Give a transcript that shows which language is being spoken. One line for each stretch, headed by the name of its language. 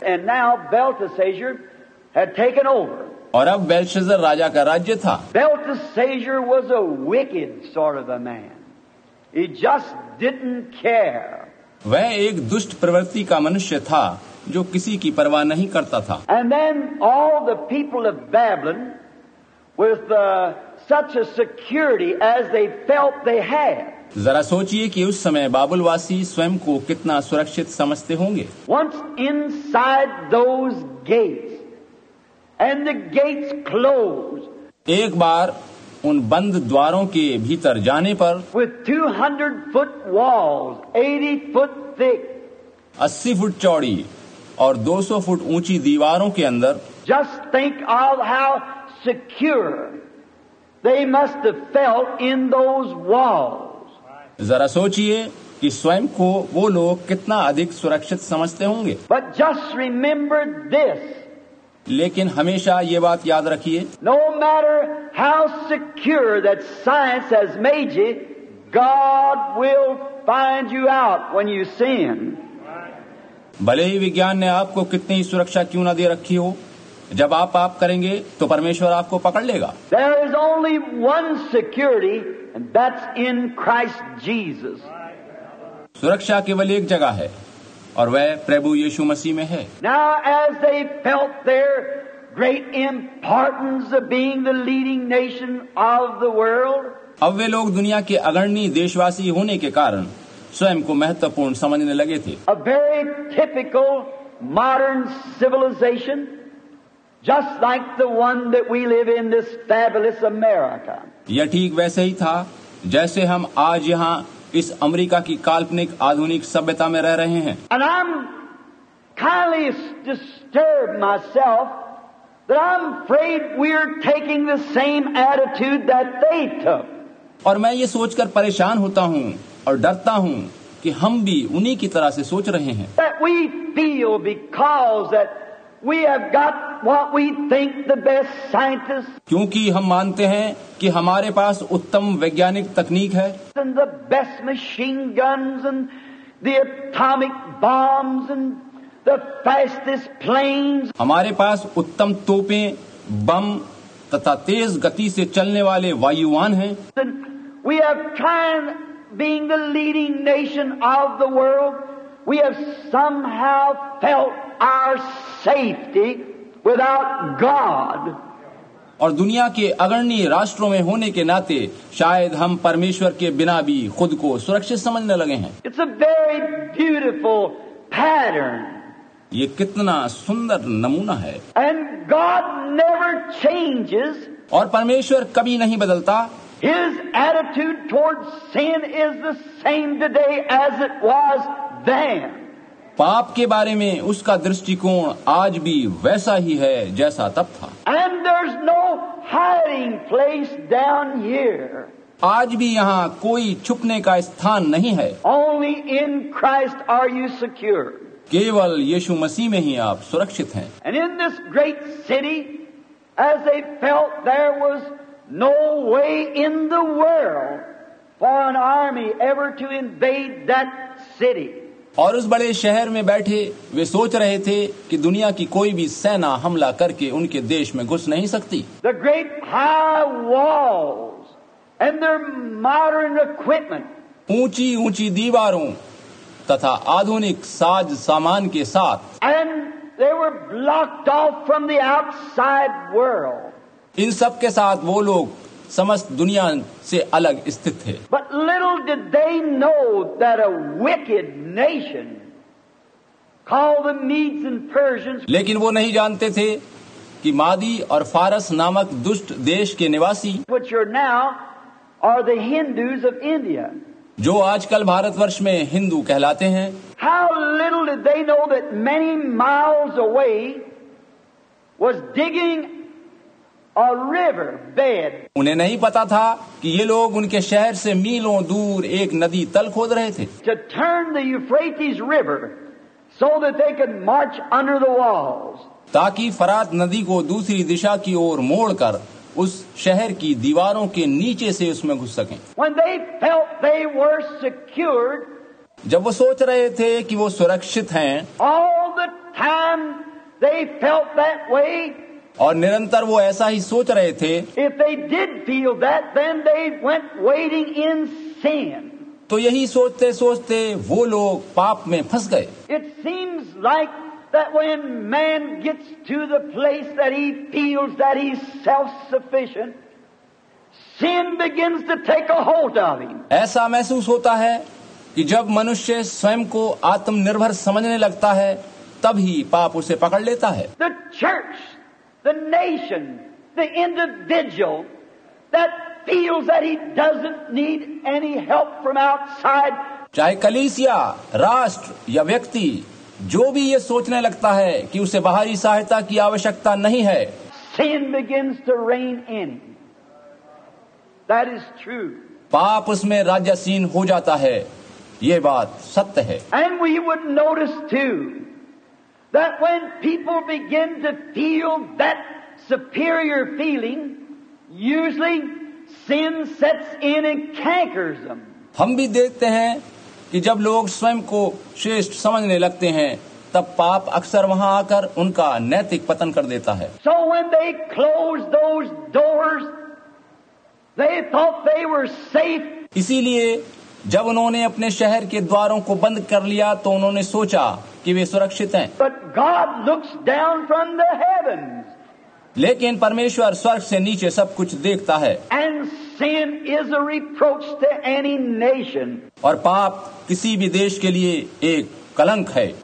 English: And now Belteshazzar had taken over.
Hindi: और अब बेलशज़र राजा का राज्य था.
English: Belteshazzar was a wicked sort of a man. He just didn't care.
Hindi: वह एक दुष्ट प्रवृत्ति का मनुष्य था जो किसी की परवाह नहीं करता था.
English: And then all the people of Babylon with such a security as they felt they had.
Hindi: जरा सोचिए कि उस समय बाबुलवासी स्वयं को कितना सुरक्षित समझते होंगे.
English: Once inside those gates and the gates closed,
Hindi: एक बार उन बंद द्वारों के भीतर जाने पर,
English: with 200 foot walls, 80 foot thick,
Hindi: 80 foot चौड़ी और 200 फुट ऊंची दीवारों के अंदर,
English: just think of how secure they must have felt in those walls.
Hindi: जरा सोचिए कि स्वयं को वो लोग कितना अधिक सुरक्षित समझते होंगे.
English: But just remember this.
Hindi: लेकिन हमेशा ये बात याद रखिए.
English: No matter how secure that science has made you, God will find you out when you sin.
Hindi: भले ही विज्ञान ने आपको कितनी ही सुरक्षा क्यों ना दे रखी हो, जब आप पाप करेंगे तो परमेश्वर आपको पकड़ लेगा.
English: There is only one security. And that's in Christ Jesus.
Hindi: सुरक्षा केवल एक जगह है और वह प्रभु यीशु मसीह में है.
English: Now as they felt their great importance of being the leading nation of the world,
Hindi: अब वे लोग दुनिया के अग्रणी देशवासी होने के कारण स्वयं को महत्वपूर्ण समझने लगे थे.
English: A very typical modern civilization, just like the one that we live in this fabulous America.
Hindi: यह ठीक वैसे ही था जैसे हम आज यहाँ इस अमेरिका की काल्पनिक आधुनिक सभ्यता में रह रहे हैं.
English: And I'm highly disturbed myself that I'm afraid we're taking the same attitude that they took.
Hindi: और मैं ये सोचकर परेशान होता हूँ और डरता हूँ कि हम भी उन्हीं की तरह से सोच रहे हैं.
English: That we feel because that we have got what we think the best scientists.
Hindi: क्योंकि हम मानते हैं कि हमारे पास उत्तम वैज्ञानिक तकनीक है.
English: And the best machine guns and the atomic bombs and the fastest planes.
Hindi: हमारे पास उत्तम तोपें, बम तथा तेज गति से चलने वाले वायुयान हैं.
English: And we have tried being the leading nation of the world. We have somehow felt our safety without God.
Hindi: और दुनिया के अग्रणी राष्ट्रों में होने के नाते शायद हम परमेश्वर के बिना भी खुद को सुरक्षित समझने लगे हैं.
English: It's a very beautiful pattern.
Hindi: ये कितना सुंदर नमूना है.
English: And God never changes.
Hindi: और परमेश्वर कभी नहीं बदलता.
English: His attitude towards sin is the same today as it was then.
Hindi: पाप के बारे में उसका दृष्टिकोण आज भी वैसा ही है जैसा तब था.
English: And there's no hiding place down here.
Hindi: आज भी यहाँ कोई छुपने का स्थान नहीं है.
English: Only in Christ are you secure.
Hindi: केवल यीशु मसीह में ही आप सुरक्षित हैं.
English: And in this great city, as they felt there was no way in the world for an army ever to invade that city.
Hindi: और उस बड़े शहर में बैठे वे सोच रहे थे कि दुनिया की कोई भी सेना हमला करके उनके देश में घुस नहीं सकती.
English: The great high walls and their modern equipment.
Hindi: ऊंची ऊंची दीवारों तथा आधुनिक साज सामान के साथ.
English: And they were blocked off from the outside world.
Hindi: इन सब के साथ वो लोग समस्त दुनिया से अलग स्थित थे.
English: But little did they know that a wicked nation called the Medes and Persians.
Hindi: लेकिन वो नहीं जानते थे कि मादी और फारस नामक दुष्ट देश के निवासी.
English: Which are now are the Hindus of India.
Hindi: जो आजकल भारतवर्ष में हिंदू कहलाते हैं.
English: How little did they know that many miles away was digging a river bed.
Hindi: उन्हें नहीं पता था कि ये लोग उनके शहर से मीलों दूर एक नदी तल खोद रहे थे.
English: To turn the Euphrates River so that they could march under the walls.
Hindi: ताकि फरात नदी को दूसरी दिशा की ओर मोड़कर उस शहर की दीवारों के नीचे से उसमें घुस सकें.
English: When they felt they were secured,
Hindi: जब वो सोच रहे थे कि वो सुरक्षित हैं.
English: All the time they felt that way.
Hindi: और निरंतर वो ऐसा ही सोच रहे थे.
English: If they did feel that, then they went waiting in sin.
Hindi: तो यही सोचते सोचते वो लोग पाप में फंस गए.
English: It seems like that when man gets to the place that he feels that he's self-sufficient, sin begins to take a hold of him.
Hindi: ऐसा महसूस होता है कि जब मनुष्य स्वयं को आत्मनिर्भर समझने लगता है तब ही पाप उसे पकड़ लेता है.
English: The church, the nation, the individual that feels that he doesn't need any help from outside.
Hindi: चाहे कलीसिया, राष्ट्र या व्यक्ति जो भी ये सोचने लगता है कि उसे बाहरी सहायता की आवश्यकता नहीं है.
English: Sin begins to reign in. That is true.
Hindi: पाप उसमें राज्यसीन हो जाता है. ये बात सत्य है.
English: And we would notice too that when people begin to feel that superior feeling, usually sin sets in and cankers them.
Hindi: हम भी देखते हैं कि जब लोग स्वयं को श्रेष्ठ समझने लगते हैं तब पाप अक्सर वहां आकर उनका नैतिक पतन कर देता है.
English: So when they closed those doors, they thought they were safe.
Hindi: इसीलिए जब उन्होंने अपने शहर के द्वारों को बंद कर लिया तो उन्होंने सोचा कि वे सुरक्षित हैं.
English: But God looks down from the heavens.
Hindi: लेकिन परमेश्वर स्वर्ग से नीचे सब कुछ देखता है.
English: And sin is a reproach to any nation.
Hindi: और पाप किसी भी देश के लिए एक कलंक है.